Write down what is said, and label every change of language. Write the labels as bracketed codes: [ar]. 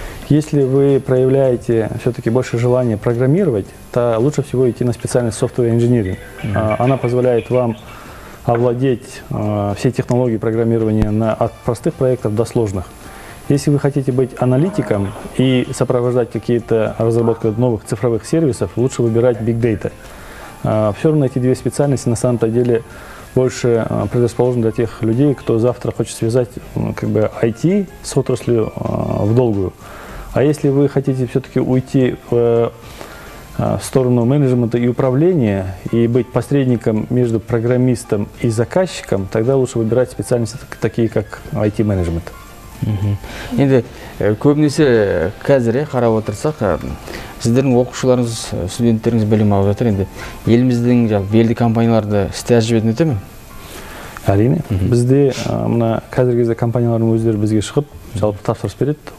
[ru] Если вы проявляете все-таки больше желания программировать, то лучше всего идти на специальность software engineering. Она позволяет вам овладеть все технологии программирования от простых проектов до сложных. Если вы хотите быть аналитиком и сопровождать какие-то разработки новых цифровых сервисов, лучше выбирать Big Data. Все равно эти две специальности на самом-то деле больше предрасположены для тех людей, кто завтра хочет связать как бы IT с отраслью в долгую. А если вы хотите все-таки уйти в сторону менеджмента и управления и быть посредником между программистом и заказчиком, тогда лучше выбирать специальности такие, как IT-менеджмент. [kk] Енді көбінесе қазір қарап отырсақ, сіздердің оқушыларыңыз, студенттеріңіз білім алып жатыр. Енді еліміздің жалпы белді компанияларда стаж жібетін өте ме? Әрине. Бізде мына қазіргі кезде компаниялардың өздері бізге шығып, жалпы тапсырыс береді.